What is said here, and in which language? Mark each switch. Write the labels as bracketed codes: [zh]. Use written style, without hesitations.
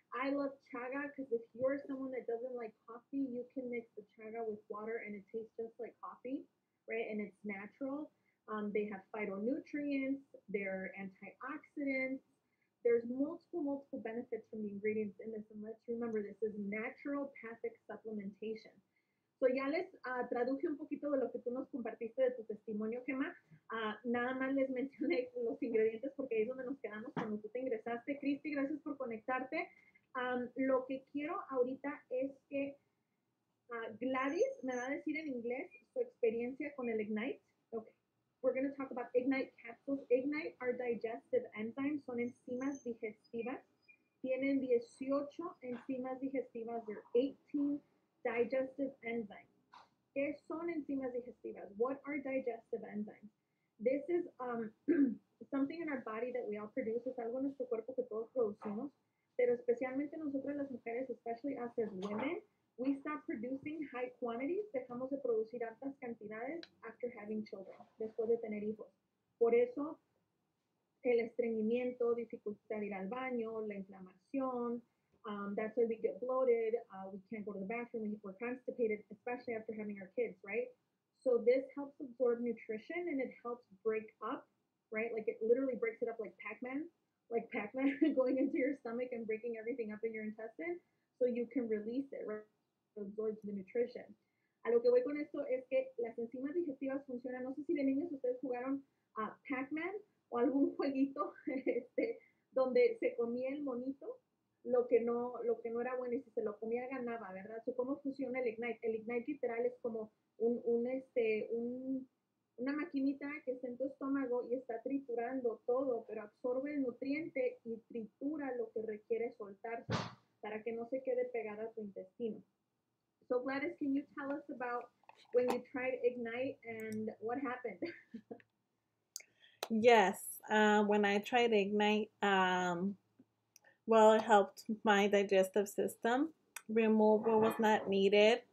[en] I love chaga because if you're someone that doesn't like coffee, you can mix the chaga with water and it tastes just like coffee, right? And it's natural. They have phytonutrients. They're antioxidants. There's multiple benefits from the ingredients in this. And let's remember, this is naturopathic supplementation. [es] So ya les traduje un poquito de lo que tú nos compartiste de tu testimonio, Gemma. Nada más les mencioné los ingredientes porque ahí es donde nos quedamos cuando tú te ingresaste. Cristi, gracias por conectarte. Lo que quiero ahorita es que Gladys me va a decir en inglés su experiencia con el Ignite. [en] Okay. We're going to talk about Ignite capsules. Ignite are digestive enzymes, [es] son enzimas digestivas. Tienen 18 enzimas digestivas, [en] they're 18 digestive enzymes. [es] ¿Qué son enzimas digestivas? [en] What are digestive enzymes? This is something in our body that we all produce. [es] Es algo en nuestro cuerpo que todos producimos. Pero especialmente nosotras las mujeres, [en] especially us as women, we stop producing high quantities, [es] dejamos de producir altas cantidades [en] after having children, [es] después de tener hijos. Por eso, el estreñimiento, dificultad de ir al baño, la inflamación, [en] that's why we get bloated, we can't go to the bathroom, we're constipated, especially after having our kids, right? So this helps absorb nutrition and it helps break up, right? Like it literally breaks it up like Pac-Man going into your stomach and breaking everything up in your intestine so you can release it, right? Absorbs the nutrition. [es] A lo que voy con esto es que las enzimas digestivas funcionan. No sé si de niños ustedes jugaron Pac-Man o algún jueguito donde se comía el monito lo que no era bueno y si se lo comía ganaba, ¿verdad? So, ¿cómo funciona el Ignite? El Ignite literal es como una maquinita que está en tu estómago y está triturando todo, pero absorbe el nutriente y tritura lo que requiere soltarse para que no se quede pegada a tu intestino. [en] So Gladys, can you tell us about when you tried Ignite and what happened? Yes, when I tried Ignite, it helped my digestive system remove what was not needed.